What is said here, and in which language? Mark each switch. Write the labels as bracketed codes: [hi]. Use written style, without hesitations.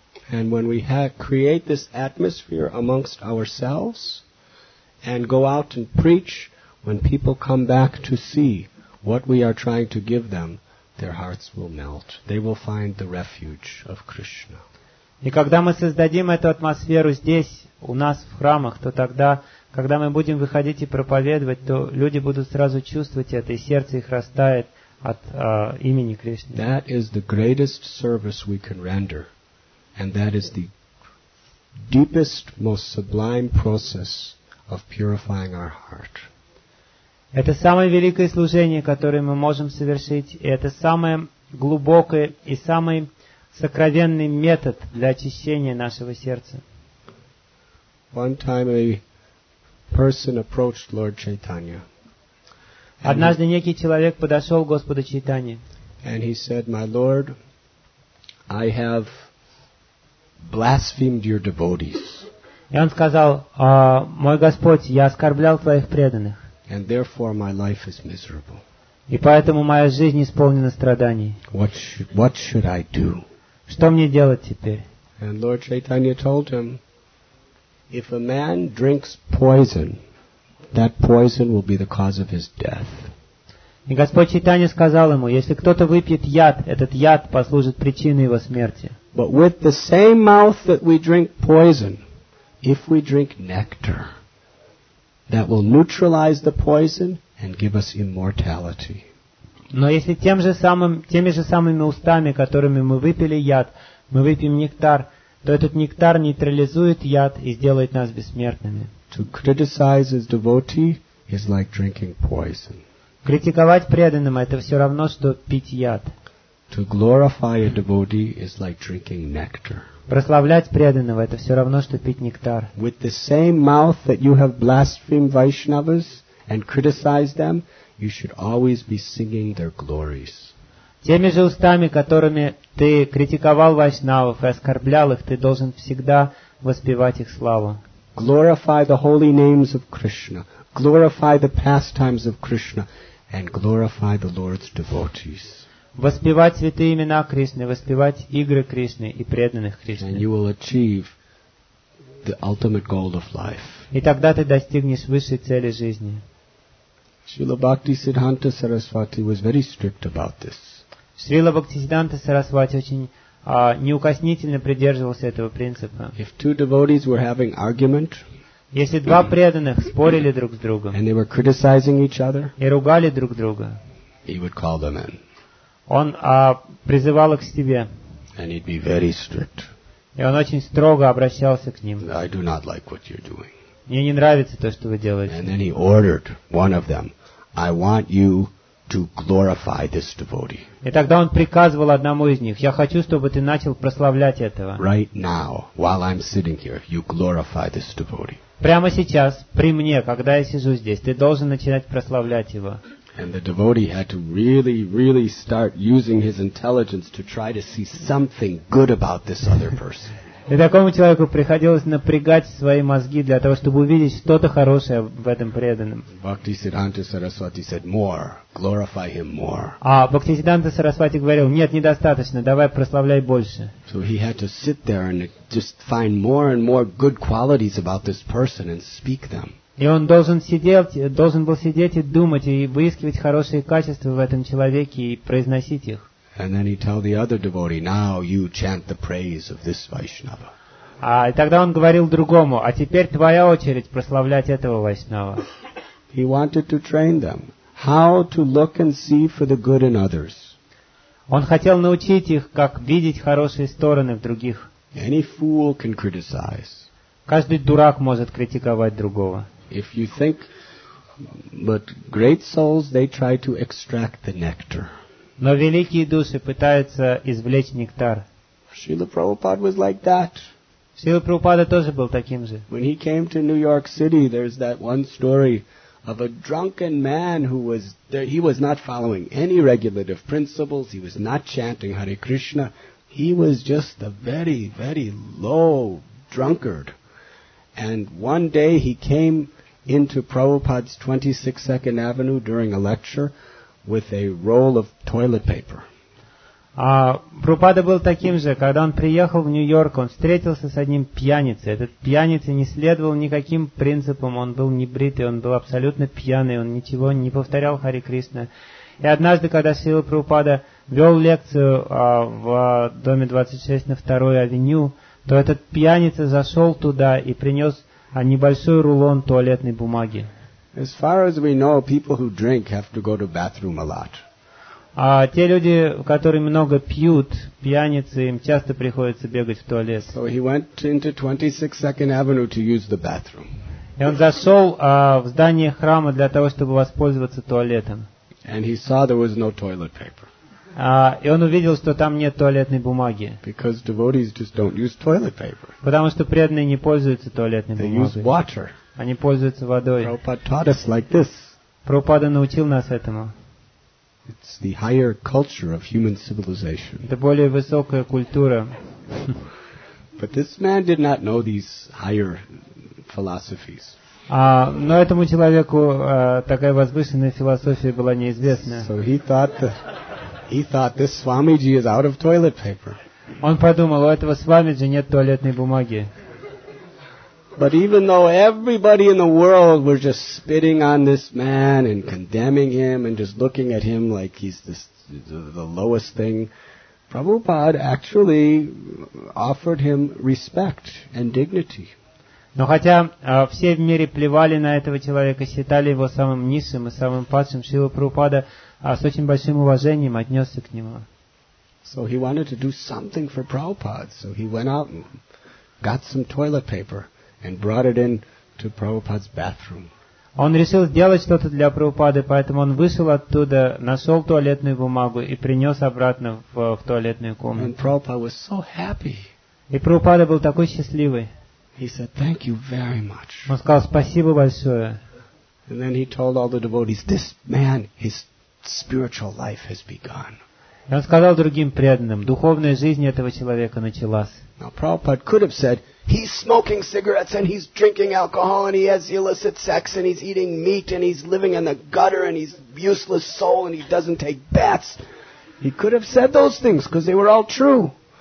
[en] And when we create this atmosphere amongst ourselves and go out and preach, when people come back to see what we are trying to give them, their hearts will melt. They will find the refuge of Krishna. [ru] И когда мы создадим эту атмосферу здесь, у нас в храмах, то тогда, когда мы будем выходить и проповедовать, то люди будут сразу чувствовать это, и сердце их растает от имени Кришны. [en] That is the greatest service we can render, and that is the deepest, most sublime process of purifying our heart. [ru] Это самое великое служение, которое мы можем совершить, и это самое глубокое и самое сокровенный метод для очищения нашего сердца. [en] One time a person approached Lord Chaitanya. [ru] Однажды некий человек подошел к Господу Чайтанье. [en] And he said, "My Lord, I have blasphemed your devotees." [ru] И он сказал, "Мой Господь, я оскорблял твоих преданных." [en] And therefore my life is miserable. [ru] И поэтому моя жизнь исполнена страданий. [en] What should I do? [ru] Что мне делать теперь? [en] And Lord Chaitanya told him, if a man drinks poison, that poison will be the cause of his death. [ru] И Господь Чайтанья сказал ему, если кто-то выпьет яд, этот яд послужит причиной его смерти. [en] But with the same mouth that we drink poison, if we drink nectar, that will neutralize the poison and give us immortality. [ru] Но если теми же самыми устами, которыми мы выпили яд, мы выпьем нектар, то этот нектар нейтрализует яд и сделает нас бессмертными. [en] To criticize his devotee is like drinking poison. [ru] Критиковать преданным это все равно, что пить яд. [en] To glorify a devotee is like drinking nectar. [ru] Прославлять преданного это все равно, что пить нектар. [en] With the same mouth that you have blasphemed Vaishnavas and criticized them, you should always be singing their glories. [ru] Теми же устами, которыми ты критиковал вайшнавов и оскорблял их, ты должен всегда воспевать их славу. [en] Glorify the holy names of Krishna. Glorify the pastimes of Krishna and glorify the Lord's devotees. [ru] Воспевать святые имена Кришны, воспевать игры Кришны и преданных Кришны. [en] And you will achieve the ultimate goal of life. [ru] И тогда ты достигнешь высшей цели жизни. [en] Srila Bhaktisiddhanta Sarasvati was very strict about this. [ru] Srila Bhaktisiddhanta Sarasvati очень неукоснительно придерживался этого принципа. [en] If two devotees were having argument, [ru] если два преданных спорили друг с другом [en] and they were criticizing each other, [ru] и ругали друг друга, [en] he would call them in. [ru] Он призывал их к себе. [en] And he'd be very strict. [ru] И он очень строго обращался к ним. [en] I do not like what you're doing. [ru] Мне не нравится то, что вы делаете. [en] And then he ordered one of them, I want you to glorify this devotee. [ru] И тогда он приказывал одному из них, я хочу, чтобы ты начал прославлять этого. [en] Right now, while I'm sitting here, you glorify this devotee. [ru] Прямо сейчас, при мне, когда я сижу здесь, ты должен начинать прославлять его. [en] And the devotee had to really, really start using his intelligence to try to see something good about this other person. [ru] И такому человеку приходилось напрягать свои мозги для того, чтобы увидеть что-то хорошее в этом преданном. [en] Bhaktisiddhanta Saraswati said, more, glorify him more. [ru] А Бхактисиддханта Сарасвати говорил, нет, недостаточно, давай прославляй больше. [en] So he had to sit there and just find more and more good qualities about this person and speak them. [ru] И он должен был сидеть и думать, и выискивать хорошие качества в этом человеке и произносить их. [en] And then he tell the other devotee, now you chant the praise of this Vaishnava. [ru] И тогда он говорил другому, а теперь твоя очередь прославлять этого Вайшнава. [en] He wanted to train them how to look and see for the good in others. [ru] Он хотел научить их, как видеть хорошие стороны в других. [en] Any fool can criticize. [ru] Каждый дурак может критиковать другого. [en] If you think, but great souls, they try to extract the nectar. [ru] Но великие души пытаются извлечь нектар. [en] Srila Prabhupada was like that. [ru] Srila Prabhupada тоже был таким же. [en] When he came to New York City, there's that one story of a drunken man who was there. He was not following any regulative principles. He was not chanting Hare Krishna. He was just a very, very low drunkard. And one day he came into Prabhupada's 26 Second Avenue during a lecture with a roll of toilet paper. [ru] Прабхупада был таким же, когда он приехал в Нью-Йорк, он встретился с одним пьяницей. Этот пьяница не следовал никаким принципам, он был небритый, он был абсолютно пьяный, он ничего не повторял Хари Кришна. И однажды, когда Шрила Прабхупада вел лекцию в доме 26 на 2-й авеню, то этот пьяница зашел туда и принес небольшой рулон туалетной бумаги. [en] As far as we know, people who drink have to go to bathroom a lot. [ru] Те люди, которые много пьют, пьяницы, им часто приходится бегать в туалет. [en] So he went into 26 Second Avenue to use the bathroom. [ru] И он зашел в здание храма для того, чтобы воспользоваться туалетом. [en] And he saw there was no toilet paper. [ru] И он увидел, что там нет туалетной бумаги. [en] Because devotees just don't use toilet paper. [ru] Потому что преданные не пользуются туалетной [en] they [ru] бумагой. [en] They use water. [ru] Они пользуются водой. [en] Prabhupada taught us like this. [ru] Прабхупада научил нас этому. [en] It's the higher culture of human civilization. [ru] Это более высокая культура. [en] But this man did not know these higher philosophies. [ru] Но этому человеку такая возвышенная философия была неизвестна. [en] So he thought this Swamiji is out of toilet paper. [ru] Он подумал, у этого Свамиджи нет туалетной бумаги. [en] But even though everybody in the world were just spitting on this man and condemning him and just looking at him like he's the lowest thing, Prabhupada actually offered him respect and dignity. [ru] Но хотя все в мире плевали на этого человека, считали его самым низшим и самым падшим, Шрила Прабхупада с очень большим уважением отнесся к нему. [en] So he wanted to do something for Prabhupada, so he went out and got some toilet paper and brought it in to Prabhupada's bathroom. [ru] Он решил сделать что-то для Прабхупады, поэтому он вышел оттуда, нашел туалетную бумагу и принес обратно в туалетную комнату. [en] And Prabhupada was so happy. [ru] И Прабхупада был такой счастливый. [en] He said, "Thank you very much." [ru] Он сказал спасибо большое. [en] And then he told all the devotees, "This man, his spiritual life has begun." [ru] И он сказал другим преданным, духовная жизнь этого человека началась. [en] Now Prabhupada could have said, "He's smoking cigarettes and he's drinking alcohol and he has illicit sex and he's eating meat and he's living in the gutter and he's useless soul and he doesn't take baths." He could have said those things because they were all true.